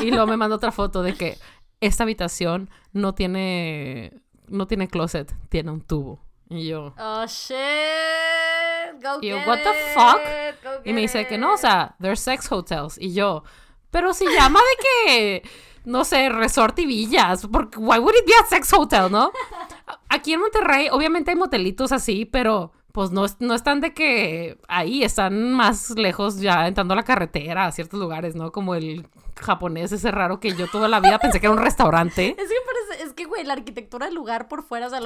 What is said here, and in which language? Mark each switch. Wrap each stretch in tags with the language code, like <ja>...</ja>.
<es>Y luego me mandó otra foto de que esta habitación no tiene closet, tiene un tubo. Y yo,</es> <en>oh, shit, go get</en> <es>it. Y yo,</es> <en>it. What the fuck?</en> <es>Y me dice que no, o sea,</es> <en>there's sex hotels.</en> <es>Y yo, pero si llama de que, no sé, resort y villas.</es> <en>Porque, why would it be a sex hotel, no?</en> <es>Aquí en Monterrey, obviamente hay motelitos así, pero, pues, no están de que ahí, están más lejos ya entrando a la carretera, a ciertos lugares, ¿no? Como el japonés ese raro que yo toda la vida pensé que era un restaurante. Es que parece, es que, güey, la arquitectura del lugar por fuera, o sea, lo</es>